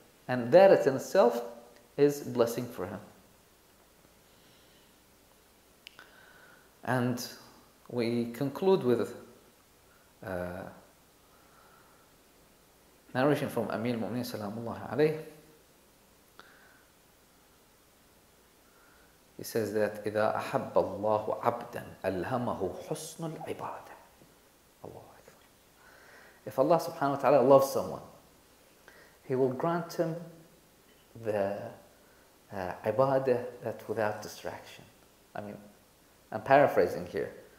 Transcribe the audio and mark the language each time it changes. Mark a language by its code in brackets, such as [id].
[en] And that in itself is a blessing for him. And we conclude with narration from Amir Mu'min Salamullah Alayhi. He says that [ar] إِذَا أَحَبَّ اللَّهُ عَبْدًا أَلْهَمَهُ حُسْنُ الْعِبَادَةِ. Allah Akbar. [en] If Allah subhanahu wa ta'ala loves someone, He will grant him the ibadah that without distraction. I mean, I'm paraphrasing here.